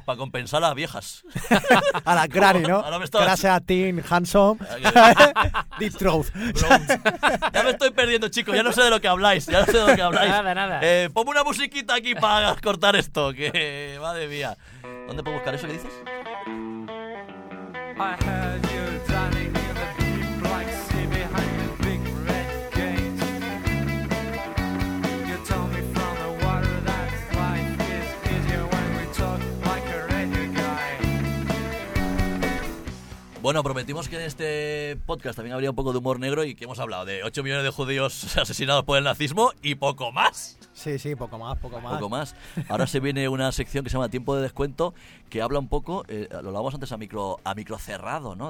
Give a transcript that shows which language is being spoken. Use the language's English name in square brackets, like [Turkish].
[Spanish] Para compensar a las viejas. A la Granny, ¿no? Gracias a Tim, [English] handsome, deep throat. [Spanish] Ya me estoy perdiendo, chicos, ya no sé de lo que habláis. Nada. Ponme una musiquita aquí para cortar esto, que madre mía. ¿Dónde puedo buscar eso que dices? [English] I heard you dining in the deep black sea behind the big red gate. You told me from the water that life is easier when we talk like a radio guy. [Spanish] Bueno, prometimos que en este podcast también habría un poco de humor negro y que hemos hablado de 8 millones de judíos asesinados por el nazismo y poco más. Sí, sí, poco más. Poco más. Ahora se viene una sección que se llama Tiempo de Descuento, que habla un poco, lo hablamos antes a micro cerrado, ¿no?